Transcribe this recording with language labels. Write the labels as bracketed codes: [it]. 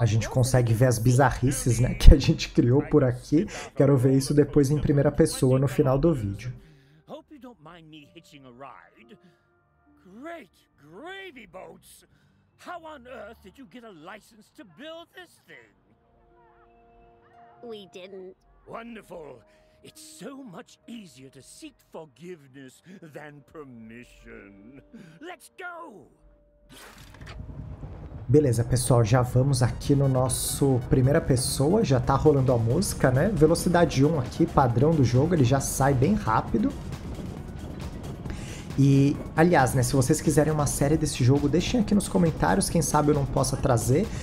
[pt] A gente consegue ver as bizarrices, né, que a gente criou por aqui. Quero ver isso depois em primeira pessoa no final do vídeo. [en] Hope you don't mind me hitching a ride. Great gravy boats. How on earth did you get a license to build this thing? We didn't. Wonderful. It's so much easier to seek forgiveness than permission. Let's go! [pt] Beleza, pessoal, já vamos aqui no nosso primeira pessoa, já tá rolando a música, né? Velocidade 1 aqui, padrão do jogo, ele já sai bem rápido. E, aliás, né, se vocês quiserem uma série desse jogo, deixem aqui nos comentários, quem sabe eu não possa trazer.